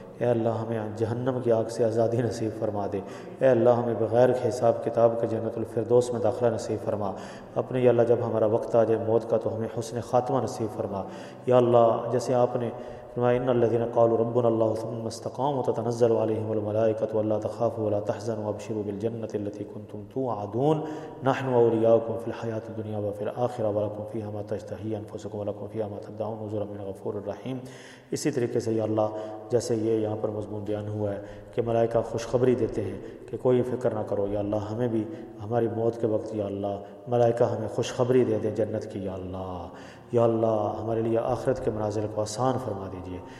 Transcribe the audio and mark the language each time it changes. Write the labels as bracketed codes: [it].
[ur] اے اللہ ہمیں جہنم کی آگ سے آزادی نصیب فرما دے. اے اللہ ہمیں بغیر حساب کتاب کے جنت الفردوس میں داخلہ نصیب فرما. اپنے یا اللہ جب ہمارا وقت آ جائے موت کا تو ہمیں حسن خاتمہ نصیب فرما. یا اللہ جیسے آپ نے [ar] ان الذين قالوا ربنا الله ثم استقاموا تتنزل عليهم الملائكه ولا تخافوا ولا تحزنوا وابشروا بالجنه التي كنتم توعدون نحن اولياؤكم في الحياه الدنيا وفي الاخره ولكم فيها ما تشتهي انفسكم ولكم فيها ما تدعون نزلا من غفور رحيم. [ur] اسی طریقے سے یا اللہ جیسے یہ یہاں پر مضمون بیان ہوا ہے کہ ملائکہ خوشخبری دیتے ہیں کہ کوئی فکر نہ کرو, یا اللہ ہمیں بھی ہماری موت کے وقت یا اللہ ملائکہ ہمیں خوشخبری دے دیں جنت کی. یا اللہ ہمارے لیے آخرت کے منازل کو آسان فرما دیجئے.